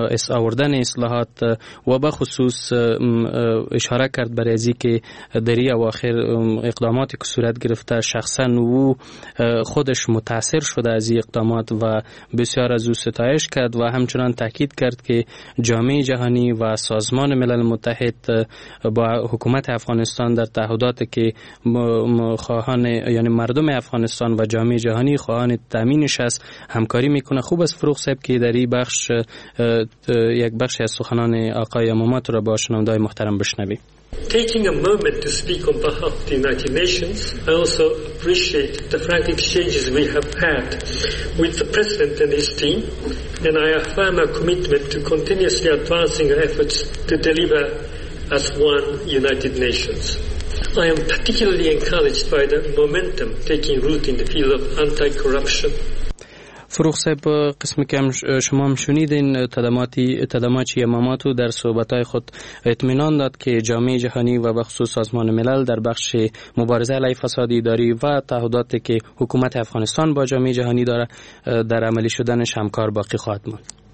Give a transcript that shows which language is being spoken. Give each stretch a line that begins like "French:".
Persian: آوردن اصلاحات و به خصوص اشاره کرد برای ازی که در اواخر اقداماتی که صورت گرفته شخصا او خودش متاثر شده از این اقدامات و بسیار از او ستایش کرد و همچنان تاکید کرد جامعه جهانی و سازمان ملل متحد با حکومت افغانستان در تعهدات که خواهان یعنی مردم افغانستان و جامعه جهانی خواهان تامینش است همکاری میکنه. خوب است فروخ صاحب که در این بخش یک بخش از سخنان آقای امامات را با شنونده های محترم بشنویم.
English: Taking a moment to speak on behalf of the United Nations, I also appreciate the frank exchanges we have had with the President and his team, and I affirm our commitment to continuously advancing our efforts to deliver as one United Nations. I am particularly encouraged by the momentum taking root in the field of anti-corruption.
Persian: فروخ صاحب، قسمی که شما هم شنیدین تدماچی اماماتو در صحبتهای خود اطمینان داد که جامعه جهانی و بخصوص سازمان ملل در بخش مبارزه علیه فساد اداری و تعهداتی که حکومت افغانستان با جامعه جهانی داره در عملی شدنش همکار باقی خواهد ماند.